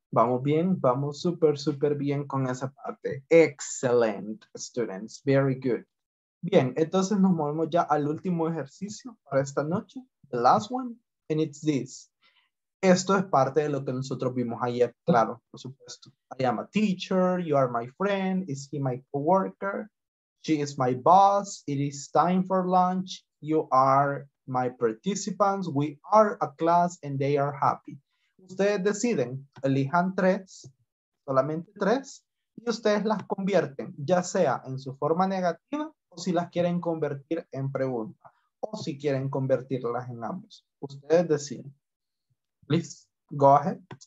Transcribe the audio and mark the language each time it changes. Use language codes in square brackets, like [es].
[es] Vamos bien, vamos súper, súper bien con esa parte. [en] Excellent, students. Very good. [es] Bien, entonces nos movemos ya al último ejercicio para esta noche. [en] The last one, and it's this. [es] Esto es parte de lo que nosotros vimos ayer, claro, por supuesto. [en] I am a teacher, you are my friend, is he my coworker? She is my boss, it is time for lunch, you are my participants, we are a class, and they are happy. [es] Ustedes deciden, elijan tres, solamente tres, y ustedes las convierten, ya sea en su forma negativa o si las quieren convertir en pregunta, o si quieren convertirlas en ambos. Ustedes deciden. [en] Please, go ahead.